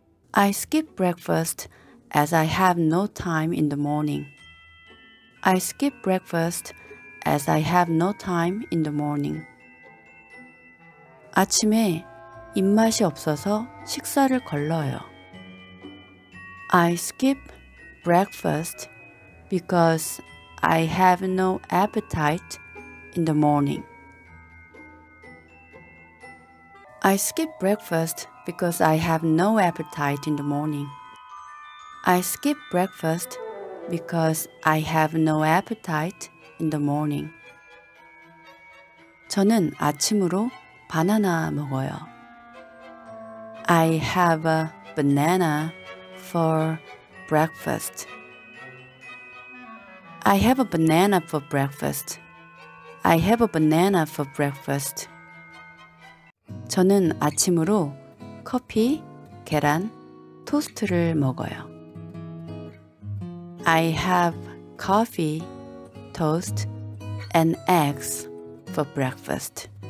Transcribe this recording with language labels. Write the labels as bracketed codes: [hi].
[en] I skip breakfast as I have no time in the morning. I skip breakfast as I have no time in the morning. [ko] 아침에 입맛이 없어서 식사를 걸러요. [en] I skip breakfast because I have no appetite in the morning. I skip breakfast because I have no appetite in the morning. I skip breakfast because I have no appetite in the morning. [ko] 저는 아침으로 바나나 먹어요. [en] I have a banana for breakfast. I have a banana for breakfast. I have a banana for breakfast. [ko] 저는 아침으로 커피, 계란, 토스트를 먹어요. [en] I have coffee, toast, and eggs for breakfast.